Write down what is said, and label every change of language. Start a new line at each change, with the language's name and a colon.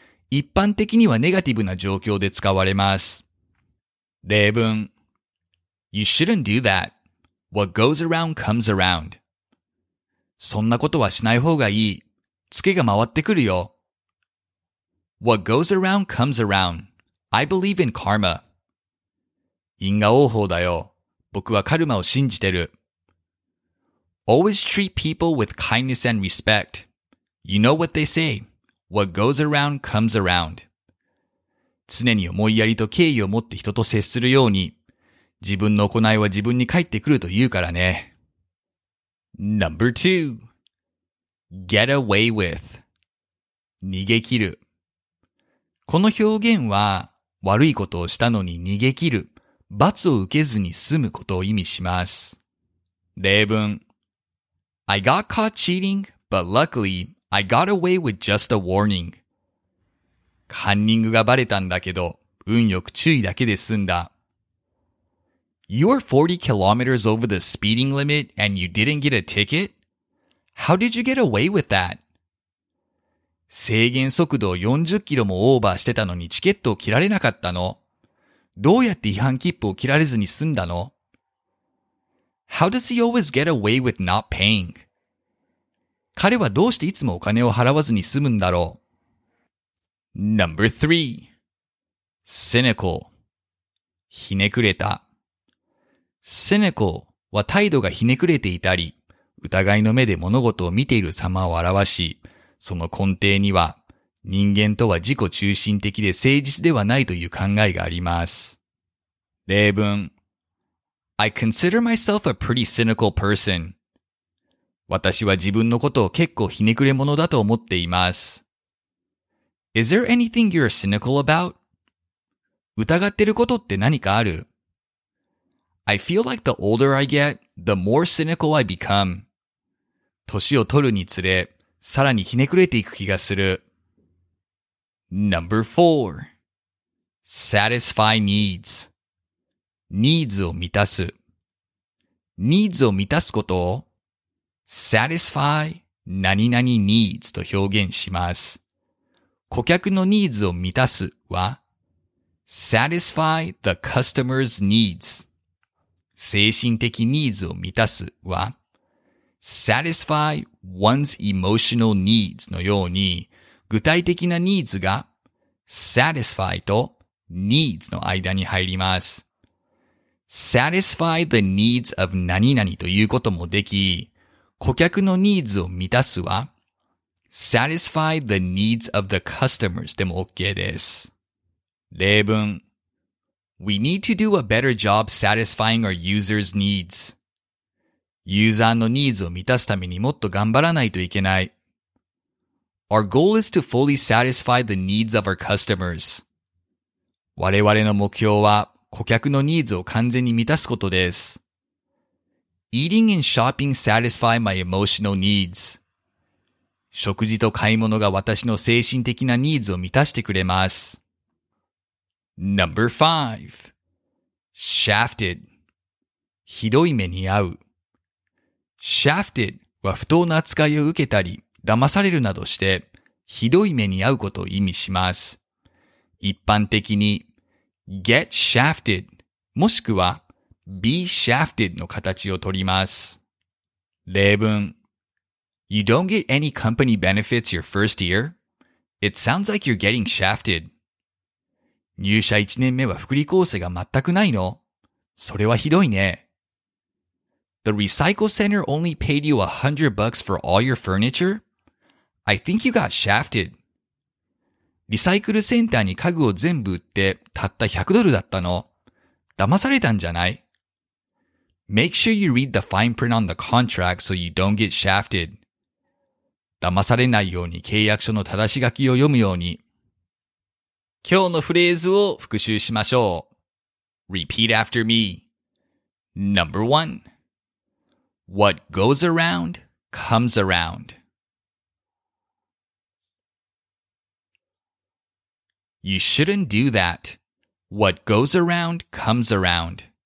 Japanese: 一般的にはネガティブな状況で使われます。例文。
English: You shouldn't do that. What goes around comes around.
Japanese: そんなことはしない方がいい。ツケが回ってくるよ。
English: What goes around comes around. I believe in karma.
Japanese: 因果応報だよ。僕はカルマを信じてる。
English: Always treat people with kindness and respect. You know what they say. What goes around comes around.
Japanese: 常に思いやりと敬意を持って人と接するように、自分の行いは自分に返ってくると言うからね。
English: Number two. Get away with.
Japanese: 逃げ切る。この表現は、悪いことをしたのに逃げ切る、罰を受けずに済むことを意味します。例文。
English: I got caught cheating, but luckily, I got away with just a warning.
Japanese: カンニングがバレたんだけど、運よく注意だけで済んだ。
English: You are 40 kilometers over the speeding limit and you didn't get a ticket? How did you get away with that?
Japanese: 制限速度を40キロもオーバーしてたのにチケットを切られなかったの？どうやって違反切符を切られずに済んだの？
English: How does he always get away with not paying?
Japanese: 彼はどうしていつもお金を払わずに済むんだろう？
English: Number three. Cynical.
Japanese: ひねくれた。 Cynical は態度がひねくれていたり、疑いの目で物事を見ている様を表し、その根底には、人間とは自己中心的で誠実ではないという考えがあります。例文。
English: I consider myself a pretty cynical person.
Japanese: 私は自分のことを結構ひねくれ者だと思っています。
English: Is there anything you're cynical about?
Japanese: 疑ってることって何かある？
English: I feel like the older I get, the more cynical I become.
Japanese: 年を取るにつれ、さらにひねくれていく気がする。
English: Number four. Satisfy needs.
Japanese: Needs を満たす。 Needs を満たすことを Satisfy 何々 needs と表現します。顧客のニーズを満たすは
English: Satisfy the customer's needs.
Japanese: 精神的ニーズを満たすは
English: Satisfy one's emotional needs
Japanese: のように具体的なニーズが Satisfy と needs の間に入ります。
English: Satisfy the needs of
Japanese: 何々ということもでき、顧客のニーズを満たすは
English: Satisfy the needs of the customers
Japanese: でも OK です。例文
English: We need to do a better job satisfying our users' needs.
Japanese: ユーザーのニーズを満たすためにもっと頑張らないといけない。
English: Our goal is to fully satisfy the needs of our customers.
Japanese: 我々の目標は顧客のニーズを完全に満たすことです。
English: Eating and shopping satisfy my emotional needs.
Japanese: 食事と買い物が私の精神的なニーズを満たしてくれます。
English: Number five. Shafted.
Japanese: ひどい目に遭う。
English: Shafted
Japanese: は不当な扱いを受けたり、騙されるなどして、ひどい目に遭うことを意味します。一般的に、
English: get shafted
Japanese: もしくは、
English: be shafted
Japanese: の形をとります。例文。
English: You don't get any company benefits your first year? It sounds like you're getting shafted.
Japanese: 入社1年目は福利厚生が全くないの？それはひどいね。
English: The recycle center only paid you $100 for all your furniture? I think you got shafted.
Japanese: リサイクルセンターに家具を全部売ってたった100ドルだったの？騙されたんじゃない？
English: Make sure you read the fine print on the contract so you don't get shafted.
Japanese: 騙されないように契約書の正し書きを読むように。今日のフレーズを復習しましょう。
English: Repeat after me. Number one. What goes around comes around. You shouldn't do that. What goes around comes around.